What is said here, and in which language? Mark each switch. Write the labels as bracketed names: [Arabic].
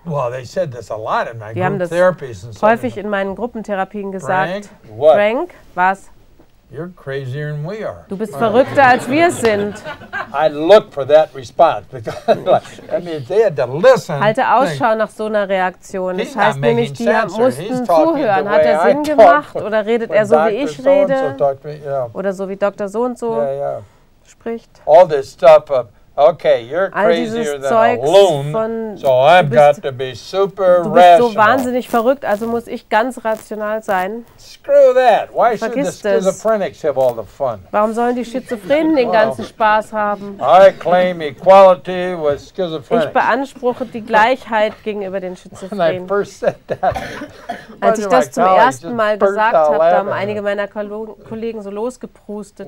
[English] well, they said this a lot in my [German] die haben das [English] therapies and [German] häufig in meinen Gruppentherapien gesagt, [English] Frank, [German] was? [English] You're crazier than we are. [German] Du bist verrückter als wir sind. [English] I look for that response because, I mean, they had to listen. [German] Halte Ausschau nach so einer Reaktion. Das heißt nämlich, die mussten zuhören. Hat er Sinn gemacht oder redet er so, wie ich rede? Oder so, wie Dr. So und so spricht? [English] All this stuff of, okay, you're crazier than a loon, so I've got to be super rational. [German] Du bist so wahnsinnig verrückt, also muss ich ganz rational sein. [English] Screw that. Why should the schizophrenics have all the fun? [German] Warum sollen die Schizophrenen den ganzen Spaß haben? [English] I claim equality with schizophrenics. [German] Ich beanspruche die Gleichheit gegenüber den Schizophrenen. [English] When I first said that, [German] als ich das zum ersten Mal gesagt habe, da haben einige meiner Kollegen so losgeprustet.